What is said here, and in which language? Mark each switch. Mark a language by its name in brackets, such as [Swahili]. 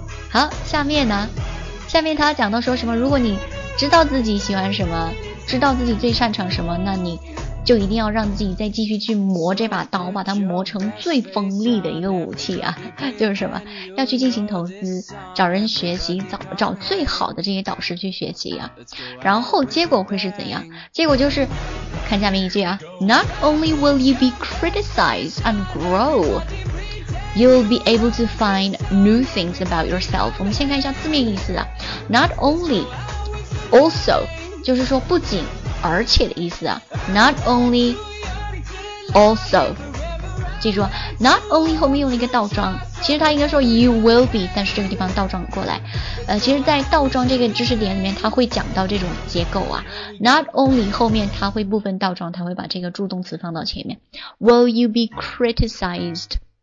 [Chinese] 好，下面呢，下面他讲到说什么，如果你知道自己喜欢什么，知道自己最擅长什么，那你就一定要让自己再继续去磨这把刀，把它磨成最锋利的一个武器啊。就是什么，要去进行投资，找人学习，找最好的这些导师去学习啊。然后结果会是怎样？结果就是看下面一句啊， [English] Not only will you be criticized and grow, you'll be able to find new things about yourself. [Chinese] 我们先看一下字面意思啊， [English] Not only, [Chinese] also 就是说不仅而且的意思啊， [English] not only also， [Chinese] 记住 [English] not only [Chinese] 后面用了一个倒装，其实他应该说 [English] you will be， [Chinese] 但是这个地方倒装过来，其实在倒装这个知识点里面他会讲到这种结构啊， not only 后面他会部分倒装，他会把这个助动词放到前面， [English] will you be criticized，